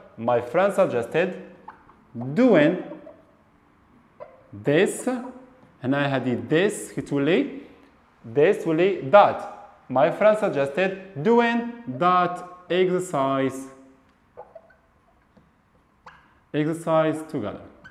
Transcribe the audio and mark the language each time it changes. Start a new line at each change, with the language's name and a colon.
English: my friend suggested doing this.
Arabic: هنا هذه this كتولي this ولي that.
English: my friend suggested doing that exercise together.